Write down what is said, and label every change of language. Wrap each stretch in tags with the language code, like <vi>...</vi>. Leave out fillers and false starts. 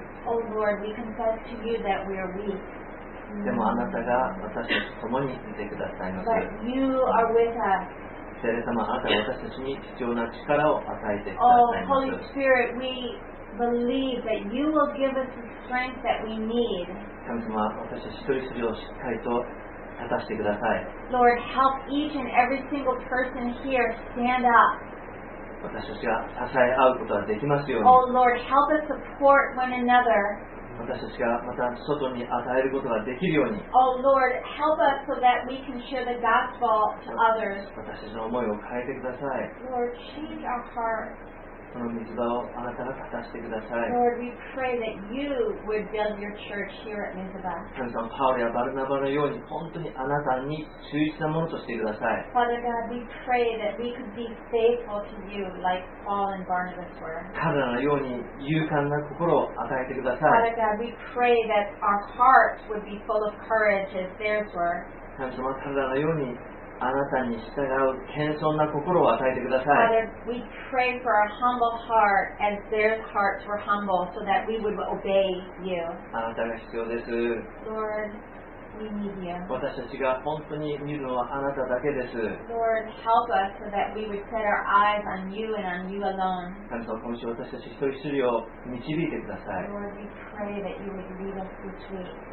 <en>Oh Lord, we confess to you that we are weak.</en> <ja>でもあなたが私たちと共にいてくださいます。</ja> <en>But you are with us.</en> <ja>聖霊様、あなたが私たちに必要な力を与えてくださいます。</ja> <en>Oh Holy Spirit, we believe that you will give us the strength that we need.</en> <ja>神様、私たち一人一人をしっかりと立たせてください。</ja> <en>Lord, help each and every single person here stand up.</en> <ja>私たちが支え合うことができますように。</ja> <en>Oh Lord, help us support one another.</en> <ja>私たちがまた外に与えることができるように。</ja> <en>Oh Lord, help us so that we can share the gospel to others.</en> <ja>私たちの思いを変えてください。</ja> <en>Lord, change our heart.</en> <ja>その御座をあなたが果たしてください。</ja> <en>Lord, we pray that you would build your church here at Mizuba.</en> <ja>神様、パウロやバルナバのように本当にあなたに忠実なものとしてください。</ja> <en>Father God, we pray that we could be faithful to you like Paul and Barnabas were.</en> <ja>彼らのように勇敢な心を与えてください。</ja> <en>Father God, we pray that our hearts would be full of courage as theirs were.</en> <ja>神様、彼らのようにあなたに従う謙遜な心を与えてください。</ja> <en>Father, we pray for our humble heart as their hearts were humble so that we would obey you.</en> <ja>あなたが必要です。</ja> <en>Lord, we need you.</en> <ja>私たちが本当に見るのはあなただけです。</ja> <en>Lord, help us so that we would set our eyes on you and on you alone.</en> <ja>神様、今週私たち一人一人を導いてください。</ja> <en>Lord, we pray that you would lead us this week.</en>